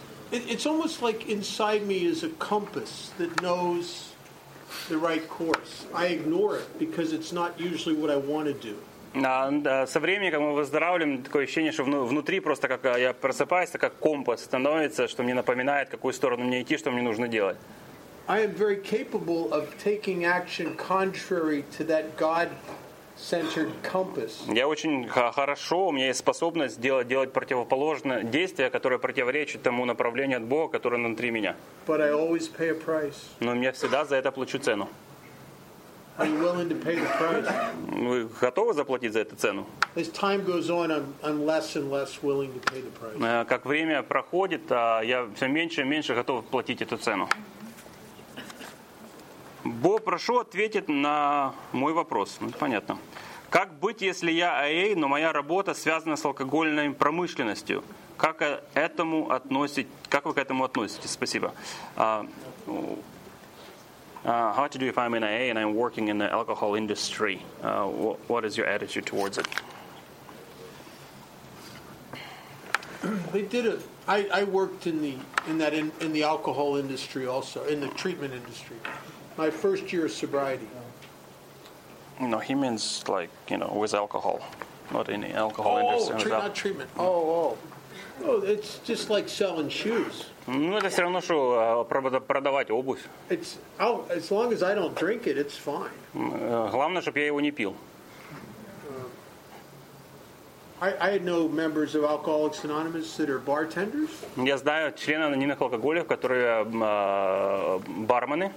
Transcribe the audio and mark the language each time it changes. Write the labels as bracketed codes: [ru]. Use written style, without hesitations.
[en] It's almost like inside me is a compass that knows the right course. I ignore it because it's not usually what I want to do. [ru] Со временем, как мы выздоравливаем, такое ощущение, что внутри просто как я просыпаюсь, так как компас становится, что мне напоминает, какую сторону мне идти, что мне нужно делать. [en] I am very capable of taking action contrary to that God-centered compass. [ru] Я очень хорошо, у меня есть способность делать противоположное действие, которое противоречит тому направлению от Бога, которое внутри меня. [en] But I always pay a price. [ru] Но я всегда за это плачу цену. [en] Are you willing to pay the price? [ru] Вы готовы заплатить за эту цену? [en] As time goes on, I'm less and less willing to pay the price. [ru] Как время проходит, я все меньше и меньше готов платить эту цену. Бо, прошу ответить на мой вопрос. Ну, понятно. Как быть, если я АА, но моя работа связана с алкогольной промышленностью? Как вы к этому относитесь? Спасибо. [en] How to do if I'm an AA and I'm working in the alcohol industry? What is your attitude towards it? They did it. I worked in the alcohol industry also, in the treatment industry. My first year of sobriety. No, he means like, you know, with alcohol, not in the alcohol industry. Oh, not treatment. Oh, it's just like selling shoes. [ru] Ну, это все равно, что продавать обувь. [en] It's, as long as I don't drink it, it's fine. [ru] Главное, чтобы я его не пил. [en] I know members of Alcoholics Anonymous that are bartenders. [ru] Я знаю членов анонимных алкоголиков, которые бармены.